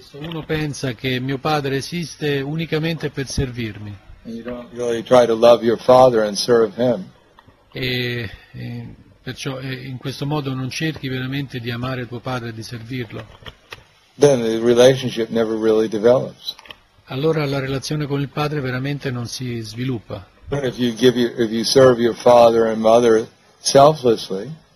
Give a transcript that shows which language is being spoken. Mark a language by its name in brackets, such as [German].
[Italian] Se uno pensa che mio padre esiste unicamente per servirmi. [English] And you don't really try to love your father and serve him. [Italian] E in questo modo non cerchi veramente di amare tuo padre e di servirlo. [English] Then the relationship never really develops. [Italian] Allora la relazione con il padre veramente non si sviluppa. [English] But if you serve your father and mother selflessly.